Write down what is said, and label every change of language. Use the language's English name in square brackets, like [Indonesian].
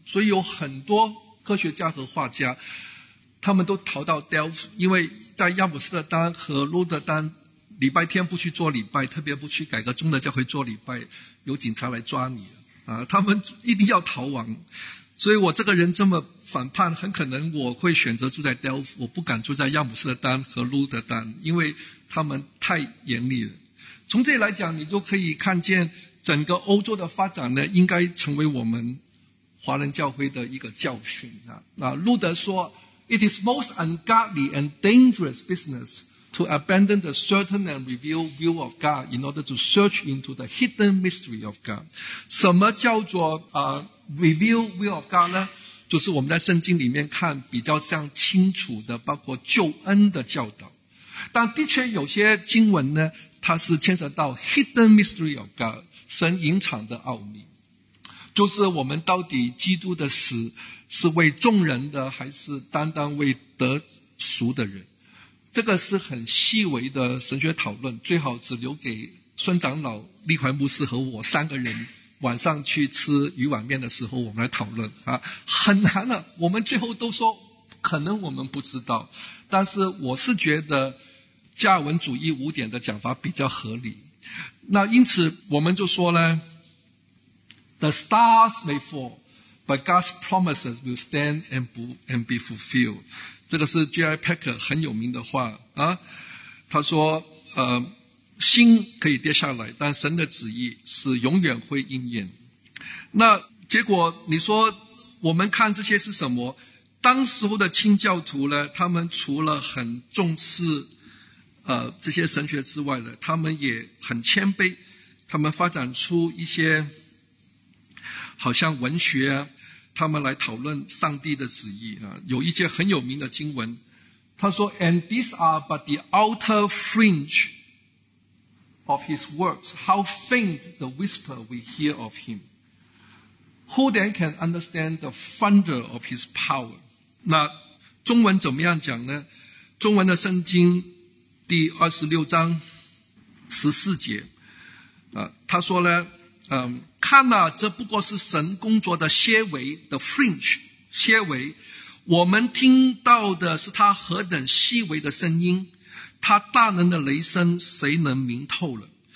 [Chinese] 所以有很多科学家和画家他们都逃到 Delft， 因为在亚姆斯特丹和鹿特丹礼拜天不去做礼拜，特别不去改革中的教会做礼拜，有警察来抓你他们一定要逃亡。所以我这个人这么反叛，很可能我会选择住在 Delft， 我不敢住在亚姆斯特丹和鹿特丹，因为他们太严厉了。从这里来讲，你就可以看见整个欧洲的发展呢，应该成为我们华人教会的一个教训路德说 [English] It is most ungodly and dangerous business to abandon the certain and revealed view of God [Chinese] in order to search into the hidden mystery of God。什么叫做 [English] revealed view of God [Chinese] 呢？就是我们在圣经里面看比较像清楚的包括救恩的教导，但的确有些经文呢，它是牵涉到 [English] hidden mystery of God， [Chinese] 神隐藏的奥秘，就是我们到底基督的死是为众人的，还是单单为得赎的人？这个是很细微的神学讨论，最好只留给孙长老、立怀牧师和我三个人晚上去吃鱼碗面的时候我们来讨论很难了。我们最后都说可能我们不知道，但是我是觉得加尔文主义五点的讲法比较合理。那因此我们就说呢， [English] The stars may fall but God's promises will stand and be fulfilled。 [Chinese] 这个是 J.I. Packer 很有名的话他说星可以跌下来，但神的旨意是永远会应验。那结果你说我们看这些是什么？当时候的清教徒呢，他们除了很重视这些神学之外呢，他们也很谦卑，他们发展出一些好像文学他们来讨论上帝的旨意、啊、有一些很有名的经文，他说 [English] And these are but the outer fringe of his works. How faint the whisper we hear of him. Who then can understand the thunder of his power? [Chinese] 那中文怎么样讲呢？中文的圣经第26章14节、啊、他说呢看啊，这不过是神工作的些微 the fringe 些微，我们听到的是他何等细微的声音，他大能的雷声谁能明透了。